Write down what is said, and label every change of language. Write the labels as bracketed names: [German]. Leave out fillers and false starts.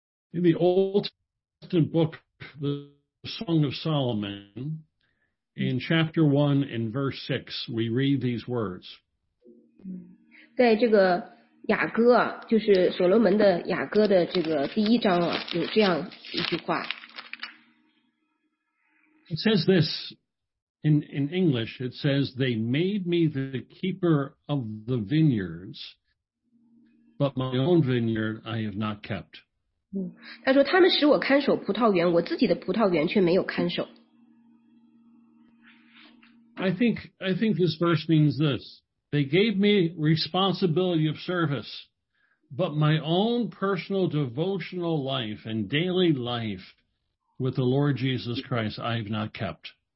[English] In the Old Testament book, the Song of Solomon, in chapter 1 and verse 6, we read these words. [Chinese] 在这个雅歌，就是所罗门的雅歌的这个第一章，有这样一句话。 [English] It says this in English. It says, "They made me the keeper of the vineyards, but my own vineyard I have not kept." [Chinese] 他说，他们使我看守葡萄园，我自己的葡萄园却没有看守。 [English] I think this verse means this. They gave me responsibility of service, but my own personal devotional life and daily life with the Lord Jesus Christ, I have not kept.